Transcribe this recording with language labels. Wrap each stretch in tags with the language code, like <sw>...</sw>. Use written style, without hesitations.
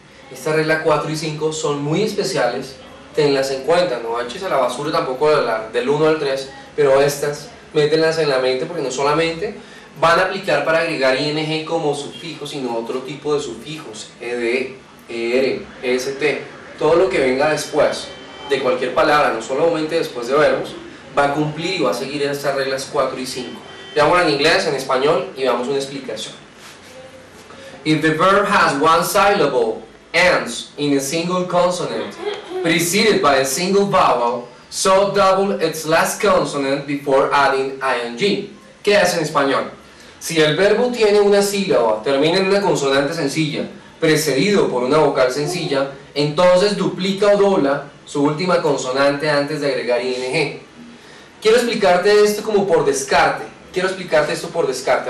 <es>Esta regla 4 y 5 son muy especiales, tenlas en cuenta, no eches a la basura tampoco del 1 al 3, pero estas, mételas en la mente porque no solamente van a aplicar para agregar ING como sufijo, sino otro tipo de sufijos, ED, ER, EST, todo lo que venga después de cualquier palabra, no solamente después de verbos, va a cumplir y va a seguir estas reglas 4 y 5. Veamos en inglés, en español, y veamos una explicación.</es> <en>If the verb has one syllable, ends in a single consonant, preceded by a single vowel, so double its last consonant before adding ING.</en> <es>¿Qué es en español? Si el verbo tiene una sílaba, termina en una consonante sencilla, precedido por una vocal sencilla, entonces duplica o dobla su última consonante antes de agregar ING. Quiero explicarte esto por descarte.</es>